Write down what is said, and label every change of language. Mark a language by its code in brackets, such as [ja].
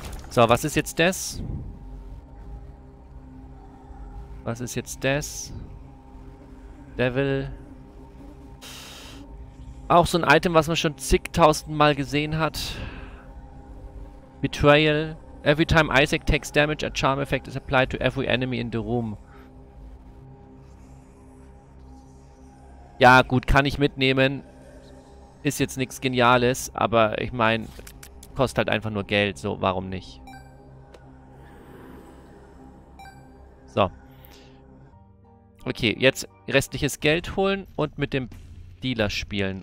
[de] So, was ist jetzt das? Was ist jetzt das? Devil. Auch so ein Item, was man schon zigtausendmal gesehen hat. [en] Betrayal. Every time Isaac takes damage, a charm effect is applied to every enemy in the room. [de] Ja, gut, kann ich mitnehmen. Ist jetzt nichts Geniales, aber ich meine, kostet halt einfach nur Geld, so, warum nicht? So. Okay, jetzt restliches Geld holen und mit dem Dealer spielen.